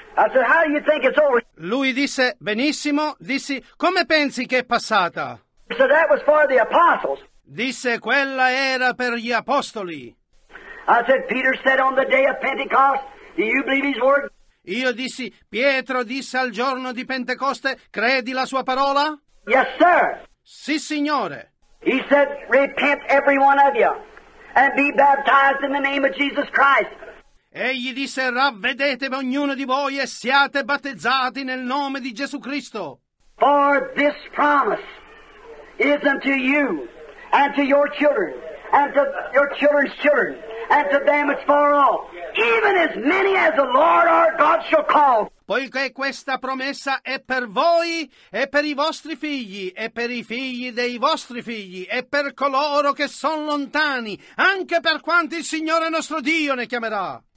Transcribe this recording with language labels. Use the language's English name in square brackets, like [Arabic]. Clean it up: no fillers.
[English] I said, how do you think it's over? [Italian] Lui disse, benissimo. Dissi, come pensi che è passata? [English] So that was for the apostles. [Italian] Disse, quella era per gli apostoli. [English] I said, Peter said on the day of Pentecost, do you believe his word? [Italian] Io dissi, Pietro disse al giorno di Pentecoste, credi la sua parola? [English] Yes, sir. [Italian] Sì, signore. [English] He said, repent every one of you and be baptized in the name of Jesus Christ. [Italian] Egli disse, ravvedetevi ognuno di voi e siate battezzati nel nome di Gesù Cristo. [English] For this promise is unto you and to your children and to your children's children. And to them it's far off, even as many as the Lord our God shall call. [Italian] Poiché questa promessa è per voi, e per i vostri figli, e per i figli dei vostri figli, e per coloro che sono lontani, anche per quanti il Signore nostro Dio ne chiamerà.